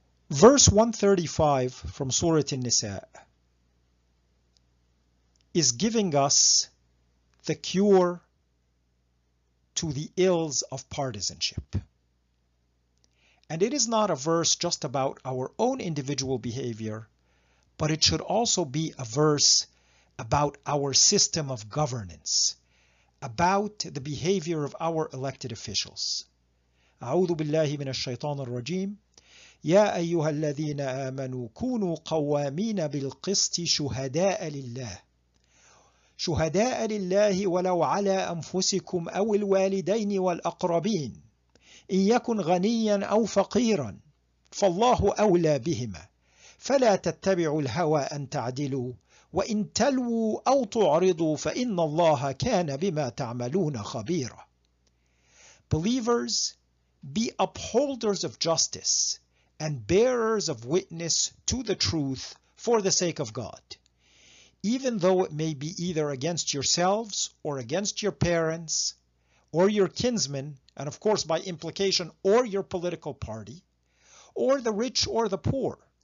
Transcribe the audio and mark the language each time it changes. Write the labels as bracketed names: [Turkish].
[English] Verse 135 from Surah An-Nisa is giving us the cure to the ills of partisanship. And it is not a verse just about our own individual behavior, but it should also be a verse about our system of governance, about the behavior of our elected officials. [Arabic] أعوذ بالله من الشيطان الرجيم يا أيها الذين آمنوا كونوا قوامين بالقسط شهداء لله شهداء لله ولو على أنفسكم أو الوالدين والأقربين إن يكن غنيا أو فقيرا فالله أولى بهما فلا تتبعوا الهوى أن تعدلوا وإن تلووا أو تعرضوا فإن الله كان بما تعملون خبيرا. [English] Believers, be upholders of justice and bearers of witness to the truth for the sake of God, even though it may be either against yourselves or against your parents or your kinsmen, and of course by implication or your political party, or the rich or the poor.